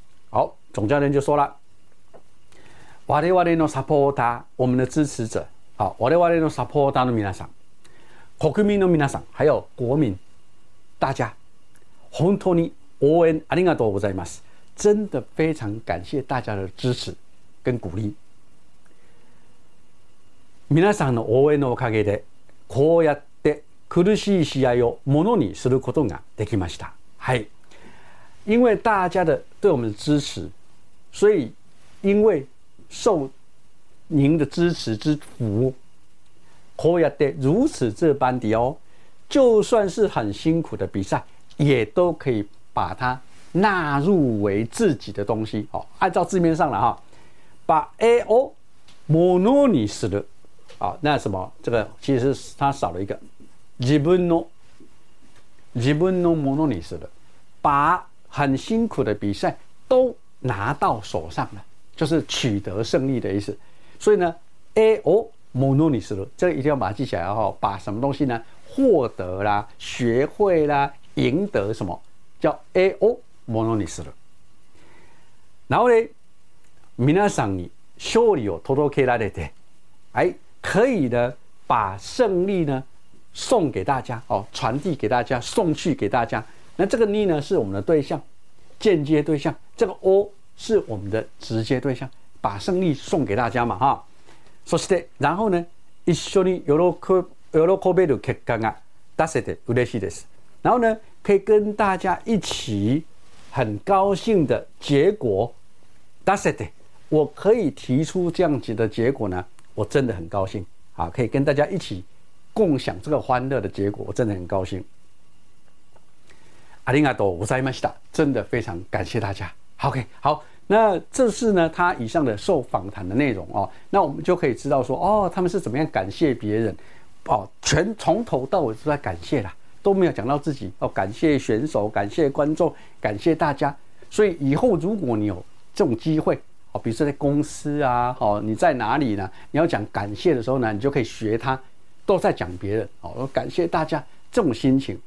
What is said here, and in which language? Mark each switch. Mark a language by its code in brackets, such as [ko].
[ja] 好、总教练就说了、我々のサポーター、 [zh] 我们的支持者、 [ja] 好、我々のサポーターの皆さん、国民の皆さん、 [zh] 还有国民、大家、 [ja] 本当に応援ありがとうございます。 [zh] 真的非常感谢大家的支持跟鼓励。 [ja] 皆さんの応援のおかげでこうやって苦しい試合をものにすることができました。はい、 [zh] 因为大家的对我们的支持，所以因为受您的支持之福， [ja] こうやって [zh] 如此这般的哦，就算是很辛苦的比赛也都可以把它纳入为自己的东西。哦，按照字面上了哈，把 [ja] A O mono ni suru， [zh] 那什么？这个其实它少了一个， [ja] 自分の mono ni suru， [zh] 把很辛苦的比赛都拿到手上了，就是取得胜利的意思。所以呢 ， [ja] A O mono ni suru， [zh] 这个一定要把它记起来哈。把什么东西呢？获得啦，学会啦，赢得什么？叫 [ja] A O mono ni suru。 [zh] 然后呢？ [ja] 皆さんに勝利を届けられて， [zh] 哎，可以呢，把胜利呢送给大家哦，传递给大家，送去给大家。那这个你呢是我们的对象，间接对象，这个 O 是我们的直接对象，把胜利送给大家嘛哈。 [ja] そして [zh] 然后呢， [ja] 一緒に喜べる結果が出せて嬉しいです。 [zh] 然后呢，可以跟大家一起很高兴的结果。出せて，我可以提出这样子的结果呢，我真的很高兴。好，可以跟大家一起共享这个欢乐的结果，我真的很高兴。 [ja] ありがとうございました， [zh] 真的非常感谢大家。 OK， 好，那这是呢他以上的受访谈的内容哦，那我们就可以知道说哦，他们是怎么样感谢别人哦，全从头到尾都在感谢啦，都没有讲到自己哦，感谢选手，感谢观众，感谢大家。所以以后如果你有这种机会，比如说在公司啊，你在哪里呢，你要讲感谢的时候呢，你就可以学他都在讲别人，感谢大家这种心情。